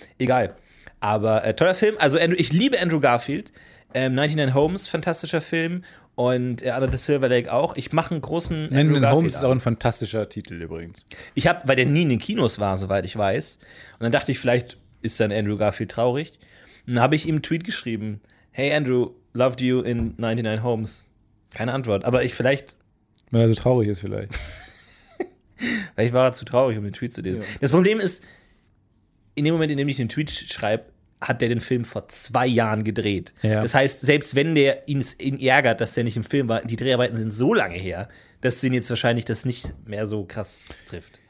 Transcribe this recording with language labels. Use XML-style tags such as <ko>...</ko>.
<de>Egal. Aber toller Film. Also ich liebe Andrew Garfield. 99 Holmes, fantastischer Film. Und Under the Silver Lake auch. Ich mache einen großen Andrew 99 Holmes ist auch ein fantastischer Titel übrigens. Ich habe, weil der nie in den Kinos war, soweit ich weiß. Und dann dachte ich, vielleicht ist dann Andrew Garfield traurig. Und dann habe ich ihm einen Tweet geschrieben.</de> <en>Hey Andrew, loved you in 99 Holmes.</en> <de>Keine Antwort, aber ich vielleicht. Weil er so traurig ist, vielleicht. Vielleicht war er zu traurig, um den Tweet zu lesen. Ja. Das Problem ist, in dem Moment, in dem ich den Tweet schreibe, hat der den Film vor 2 Jahren gedreht. Ja. Das heißt, selbst wenn der ihn ärgert, dass der nicht im Film war, die Dreharbeiten sind so lange her, dass ihn jetzt wahrscheinlich das nicht mehr so krass trifft.</de>